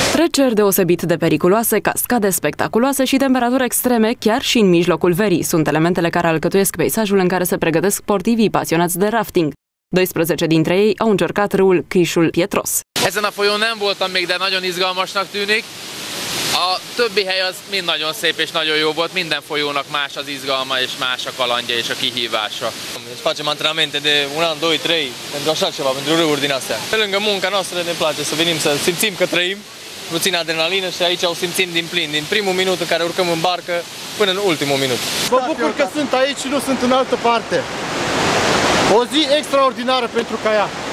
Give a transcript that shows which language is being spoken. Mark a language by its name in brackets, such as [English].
[Romanian] Cer deosebit de periculoase, cascade spectaculoase și temperaturi extreme chiar și în mijlocul verii sunt elementele care alcătuiesc peisajul în care se pregătesc sportivii pasionați de rafting. 12 dintre ei au încercat râul Crișul Pietros. [Hungarian] Ezen a folyón nem voltam még, de nagyon izgalmasnak tűnik. A többi hely az mind nagyon szép és nagyon jó volt. Minden folyónak más az izgalma és más a kalandja és a kihívása. [Romanian] Facem antrenamente de un an, doi, trei, pentru așa ceva, pentru râuri din astea. Pe lângă munca noastră ne place să venim să simțim că trăim. Puțin adrenalină și aici o simțim din plin, din primul minut în care urcăm în barcă până în ultimul minut. Mă bucur că sunt aici și nu sunt în altă parte. O zi extraordinară pentru Caia.